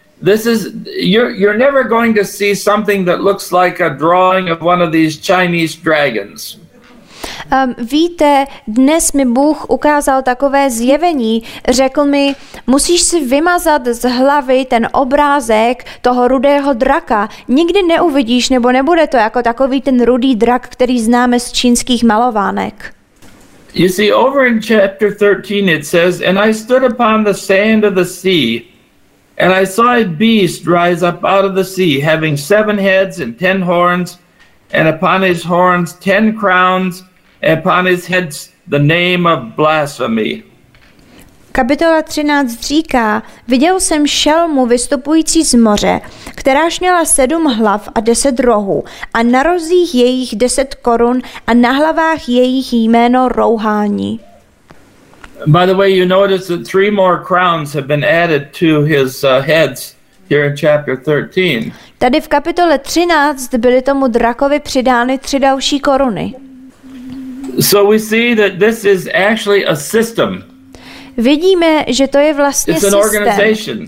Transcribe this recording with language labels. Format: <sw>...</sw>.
<en>This is you're never going to see something that looks like a drawing of one of these Chinese dragons.</en> <cs>Víte, dnes mi Bůh ukázal takové zjevení, řekl mi, musíš si vymazat z hlavy ten obrázek toho rudého draka, nikdy neuvidíš, nebo nebude to jako takový ten rudý drak, který známe z čínských malovánek.</cs> <en>You see, over in chapter 13 it says, and I stood upon the sand of the sea, and I saw a beast rise up out of the sea, having 7 heads and 10 horns, and upon his horns 10 crowns, and upon his heads the name of blasphemy.</en> <cs>Kapitola 13 říká, viděl jsem šelmu vystupující z moře, kteráž měla 7 hlav a 10 rohů, a na rozích jejich 10 korun, a na hlavách jejich jméno rouhání.</cs> <en>By the way, you notice that 3 more crowns have been added to his heads here in chapter 13.</en> <cs>Tady v kapitole 13 byly tomu drakovi přidány tři další koruny.</cs> <en>So we see that this is actually a system.</en> <cs>Vidíme, že to je vlastně systém.</cs> <en>It's an organization.</en>